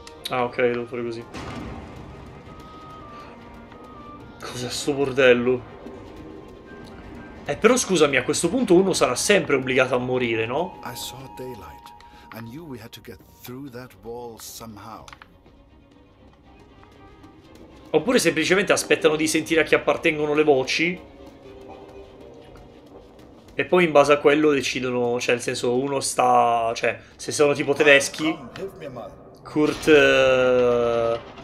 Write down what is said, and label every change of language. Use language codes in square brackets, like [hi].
[it] Ah, ok, devo fare così. Cos'è sto bordello? Però scusami, a questo punto uno sarà sempre obbligato a morire, no? [en] I saw daylight. I knew we had to get through that wall somehow. [it] Oppure semplicemente aspettano di sentire a chi appartengono le voci. E poi in base a quello decidono, cioè nel senso uno sta, cioè se sono tipo tedeschi, Kurt...